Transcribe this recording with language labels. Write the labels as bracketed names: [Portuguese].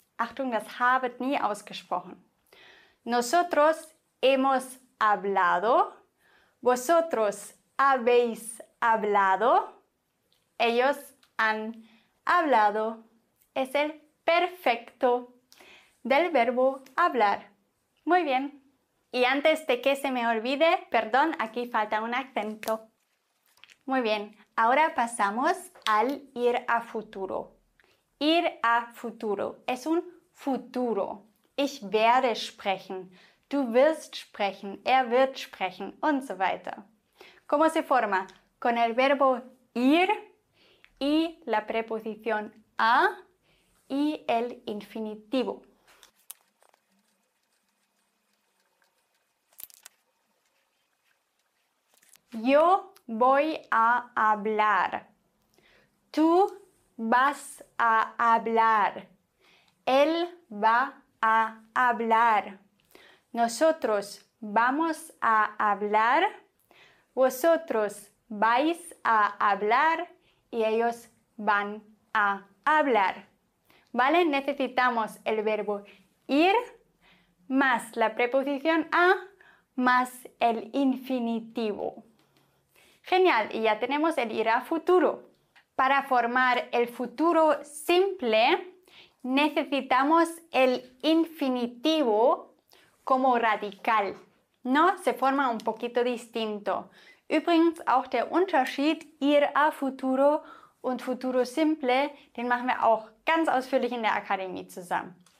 [German] Achtung, das habe nie ausgesprochen. [Spanish] Nosotros hemos hablado. Vosotros habéis hablado. Ellos han hablado. Es el perfecto del verbo hablar. Muy bien. Y antes de que se me olvide, perdón, aquí falta un acento. Muy bien, ahora pasamos al ir a futuro. Ir a futuro es un futuro. [German] Ich werde sprechen, du wirst sprechen, er wird sprechen und so weiter. [Spanish] ¿Cómo se forma? Con el verbo ir y la preposición a y el infinitivo. Yo voy a hablar. Tú vas a hablar. Él va a hablar. Nosotros vamos a hablar. Vosotros vais a hablar. Y ellos van a hablar. ¿Vale? Necesitamos el verbo ir más la preposición a más el infinitivo. Genial, y ya tenemos el ir a futuro. Para formar el futuro simple, necesitamos el infinitivo como radical. ¿No? Se forma un poquito distinto. [German] Übrigens, auch der Unterschied ir a futuro und futuro simple, den machen wir auch ganz ausführlich in der Akademie zusammen.